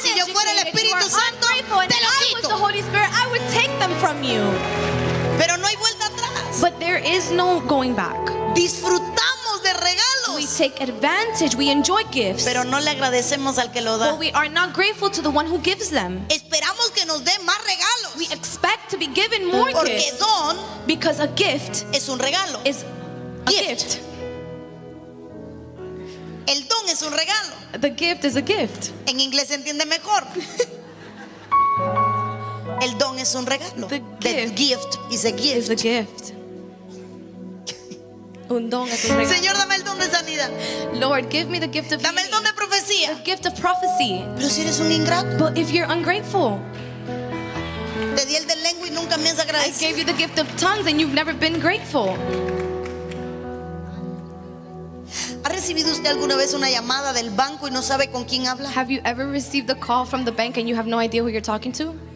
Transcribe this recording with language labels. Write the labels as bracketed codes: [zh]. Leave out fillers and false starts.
[es] y si yo fuera el Espíritu Santo, te lo quito. [en] If I was the Holy Spirit, I would take them from you. [es] Pero no hay vuelta atrás. [en] But there is no going back. [es] Disfrutamos de regalos. [en] We take advantage, we enjoy gifts. [es] Pero no le agradecemos al que lo da. [en] But we are not grateful to the one who gives them. [es] Esperamos que nos dé más regalos. [en] We expect to be given more [es] porque [en] gifts. [es] Porque don [en] because a gift [es] es un regalo. [en] Is a gift. [es] El don es un regalo. [en] The gift is a gift. [es] En inglés se entiende mejor. El don es un regalo. [en] The gift is a gift. [es] Un don es un regalo. Señor, dame el don de sanidad. [en] Lord, give me the gift of [es] healing. Dame el don de profecía. [en] The gift of prophecy. [es] Pero si eres un ingrato. [en] But if you're ungrateful. [es] Te di el de lengua y nunca me has agradecido. [en] I gave you the gift of tongues and you've never been grateful. [es] ¿Ha recibido usted alguna vez una llamada del banco y no sabe con quién habla? [en] Have you ever received a call from the bank and you have no idea who you're talking to?